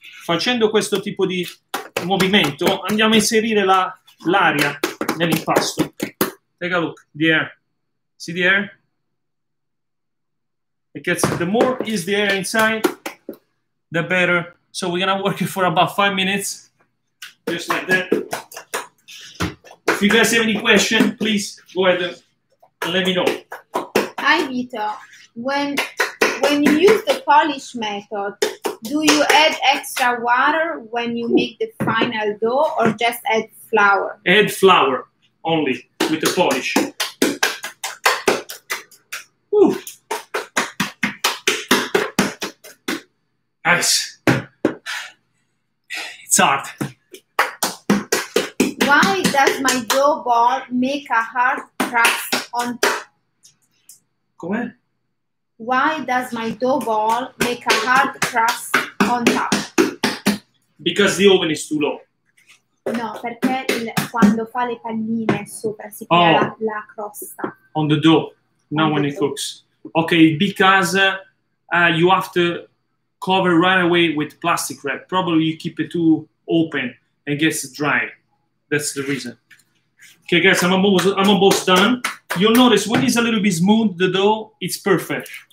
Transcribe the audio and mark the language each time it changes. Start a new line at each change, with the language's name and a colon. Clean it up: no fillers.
Italian: Facendo questo tipo di movimento, andiamo a inserire l'aria nell'impasto.
English: Take a look. The air. See the air? The more is the air inside, the better. So we're gonna work it for about 5 minutes, just like that. If you guys have any question, please go ahead and let me know. Hi, Vito. When you use the polish method, do you add extra water when you make the final dough or just add flour? Add flour only with the polish. Nice. It's hard. Why does my dough ball make a hard crust on... Come on. Why does my dough ball make a hard crust on top? Because the oven is too low.
Italian: No, perché quando fa le palline sopra si crea la crosta.
English: On the dough, not on when it cooks. Okay, because you have to cover right away with plastic wrap. Probably you keep it too open and gets dry. That's the reason. Okay, guys, I'm almost done. You'll notice when it's a little bit smooth, the dough, it's perfect.